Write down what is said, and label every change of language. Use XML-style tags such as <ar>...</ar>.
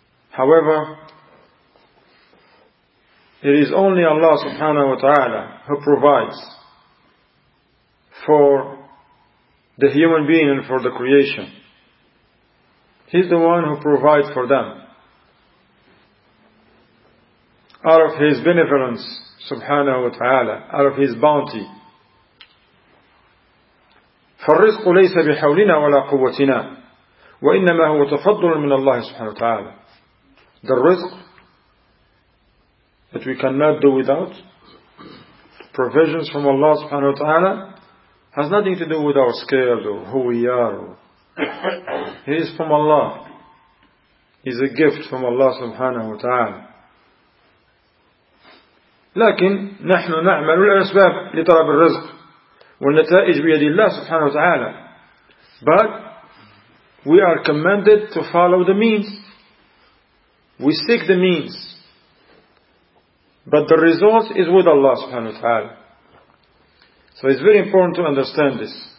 <en>However, it is only Allah subhanahu wa ta'ala who provides for the human being and for the creation. He's the one who provides for them out of His benevolence subhanahu wa ta'ala, out of His bounty.</en> <ar>فالرزق ليس بحولنا ولا قوتنا وإنما هو تفضل من الله سبحانه وتعالى.</ar> <en>The rizq that we cannot do without, provisions from Allah subhanahu wa ta'ala, has nothing to do with our skills or who we are. It is from Allah. It is a gift from Allah subhanahu wa ta'ala.</en> <ar>لكن نحن نعمل الأسباب لطلب الرزق والنتائج بيد الله سبحانه وتعالى.</ar> <en>But we are commanded to follow the means. We seek the means. But the result is with Allah subhanahu wa ta'ala. So it's very important to understand this.</en>